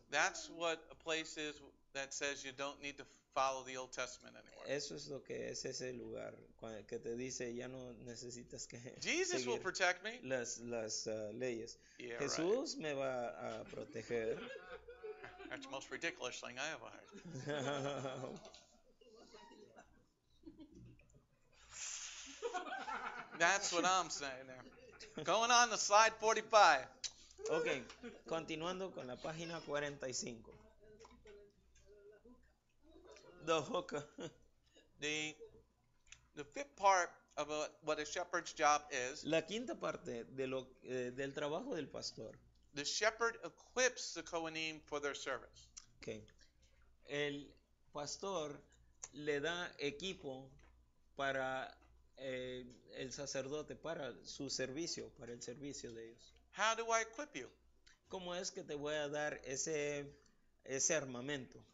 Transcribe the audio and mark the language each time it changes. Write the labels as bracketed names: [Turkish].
[English] That's what a place is that says you don't need to follow the Old Testament anymore. [Spanish] Eso es lo que es ese lugar que te dice ya no necesitas que [English] Jesus will protect me. [Spanish] Las leyes. [English] Yeah, [Spanish] Jesús [English] right. [Spanish] Me va a proteger. [English] That's the most ridiculous thing I ever heard. That's what I'm saying there. Going on to slide 45. [Spanish] Okay, continuando con la página 45. [English] The hookah. The fifth part of what a shepherd's job is. [Spanish] La quinta parte de lo del trabajo del pastor. [English] The shepherd equips the Kohanim for their service. Okay. [Spanish] El pastor le da equipo para el sacerdote para su servicio, para el servicio de ellos. [English] How do I equip you? [Spanish] ¿Cómo es que te voy a dar ese armamento?